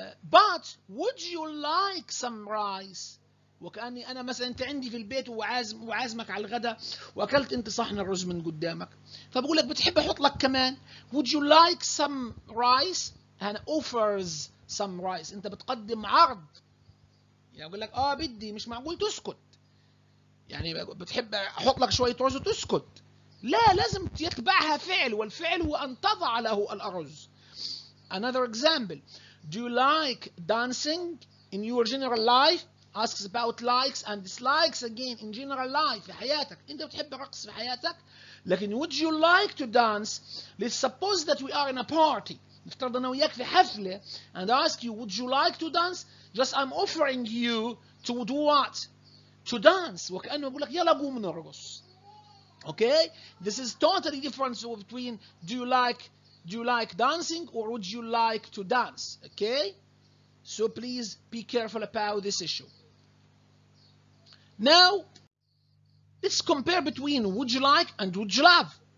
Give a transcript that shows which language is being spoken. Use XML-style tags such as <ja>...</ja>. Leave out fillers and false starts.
<en>But would you like some rice؟</en> <ar>وكأني أنا مثلا أنت عندي في البيت وعازمك على الغداء وأكلت أنت صحن الرز من قدامك، فبقولك بتحب أحط لك كمان؟</ar> <en>Would you like some rice؟</en> <ar>أنا</ar> <en>offers some rice،</en> <ar>أنت بتقدم عرض. يعني أقول لك آه بدي، مش معقول تسكت. يعني بتحب أحط لك شوية رز وتسكت. لا، لازم يتبعها فعل، والفعل هو أن تضع له الأرز.</ar> <en>Another example. Do you like dancing in your general life? Asks about likes and dislikes again in general life.</en> <ar>في حياتك أنت بتحب الرقص في حياتك؟ لكن</ar> <en>would you like to dance? Let's suppose that we are in a party.</en> <ar>نفترض أنا وياك في حفلة</ar> <en>and ask you would you like to dance, just I'm offering you to do what, to dance.</en> <ar>وكأنه يقول لك يلا قوم نرقص.</ar> <en>Okay, this is totally different between do you like dancing or would you like to dance. Okay, so please be careful about this issue. Now let's compare between would you like and would you love.</en>